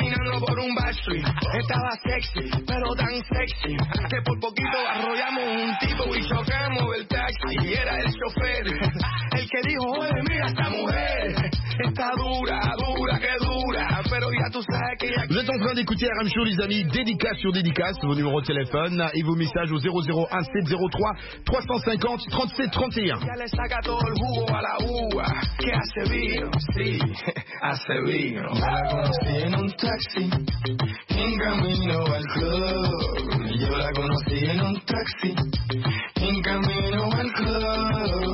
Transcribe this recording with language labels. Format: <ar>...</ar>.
<es>Estaba sexy, pero tan sexy, que por poquito arrollamos un tipo y chocamos el taxi, y era el chofer, el que dijo, oye, mira esta mujer, está dura, dura, que dura, pero ya tú sabes que...</es> <fr>Vous êtes en train d'écouter RM Show, les amis, dédicace sur dédicace, vos numéros de téléphone et vos messages au 001-703-350-3731.</fr> <es>Ya le saca todo el jugo a la uva, que hace vino, sí, hace vino. Ya la conocí en un taxi, en camino al club. Yo la conocí en un taxi, en camino al club.</es>